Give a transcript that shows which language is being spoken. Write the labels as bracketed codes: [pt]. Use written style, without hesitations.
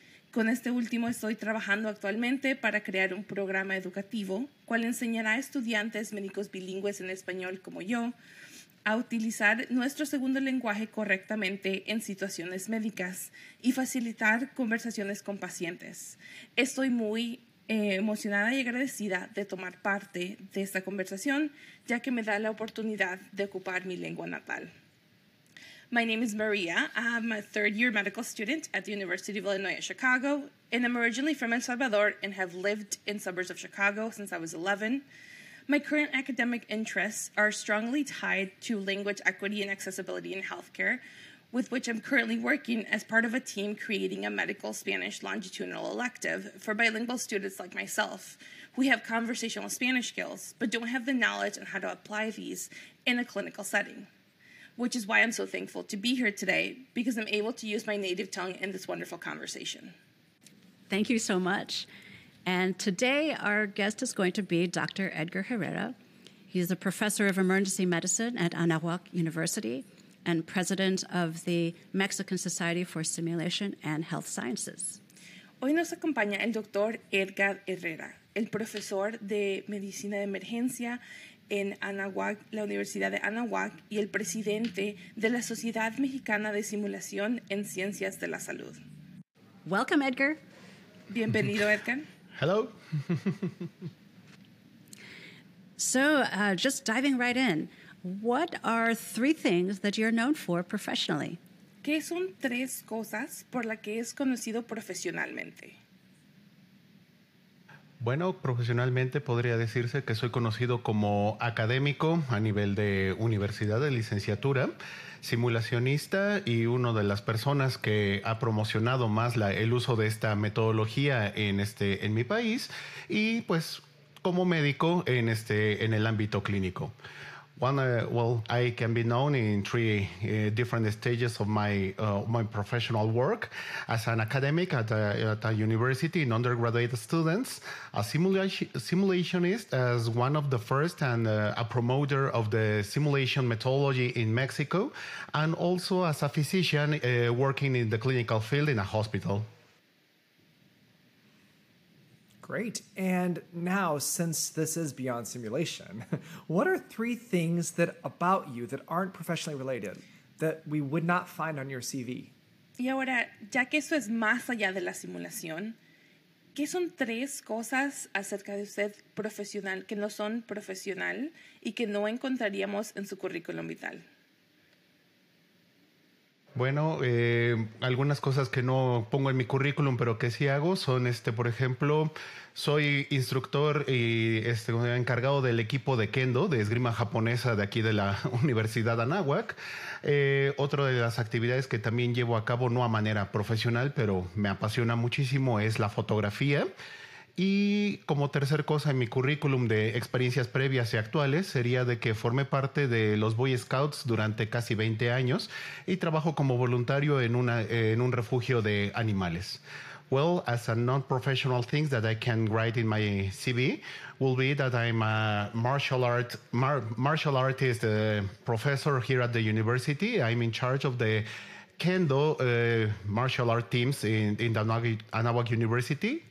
[es] Con este último estoy trabajando actualmente para crear un programa educativo, cual enseñará a estudiantes médicos bilingües en español como yo a utilizar nuestro segundo lenguaje correctamente en situaciones médicas y facilitar conversaciones con pacientes. Estoy muy emocionada y agradecida de tomar parte de esta conversación, ya que me da la oportunidad de ocupar mi lengua natal. [en] My name is Maria. I'm a third-year medical student at the University of Illinois at Chicago, and I'm originally from El Salvador and have lived in suburbs of Chicago since I was 11. My current academic interests are strongly tied to language equity and accessibility in healthcare, with which I'm currently working as part of a team creating a medical Spanish longitudinal elective for bilingual students like myself who have conversational Spanish skills but don't have the knowledge on how to apply these in a clinical setting, which is why I'm so thankful to be here today because I'm able to use my native tongue in this wonderful conversation. Thank you so much. And today our guest is going to be Dr. Edgar Herrera. He's a professor of emergency medicine at Anahuac University and president of the Mexican Society for Simulation and Health Sciences. [es] Hoy nos acompaña el doctor Edgar Herrera, el profesor de medicina de emergencia en Anahuac, la Universidad de Anahuac, y el presidente de la Sociedad Mexicana de Simulación en Ciencias de la Salud. [en] Welcome, Edgar. [es] Bienvenido, Edgar. [en] Hello. So, just diving right in. What are three things that you're known for professionally? [es] ¿Qué son tres cosas por las que es conocido profesionalmente? Bueno, profesionalmente podría decirse que soy conocido como académico a nivel de universidad, de licenciatura, simulacionista y una de las personas que ha promocionado más el uso de esta metodología en mi país y pues como médico en el ámbito clínico. [en] I can be known in three different stages of my professional work: as an academic at a university, in undergraduate students, a simulationist as one of the first, and a promoter of the simulation methodology in Mexico, and also as a physician working in the clinical field in a hospital. Great. And now, since this is Beyond Simulation, what are three things that about you that aren't professionally related that we would not find on your CV? [es] Y ahora, ya que eso es más allá de la simulación, ¿qué son tres cosas acerca de usted profesional que no son profesional y que no encontraríamos en su currículum vital? Bueno, algunas cosas que no pongo en mi currículum, pero que sí hago, son, por ejemplo, soy instructor y encargado del equipo de Kendo, de esgrima japonesa de aquí de la Universidad Anáhuac. Otra de las actividades que también llevo a cabo, no a manera profesional, pero me apasiona muchísimo, es la fotografía. Y como tercer cosa en mi currículum de experiencias previas y actuales sería de que formé parte de los Boy Scouts durante casi 20 años y trabajo como voluntario en un refugio de animales. [en] Well, as a non-professional thing that I can write in my CV will be that I'm a martial artist professor here at the university. I'm in charge of the Kendo martial art teams in the Anáhuac University.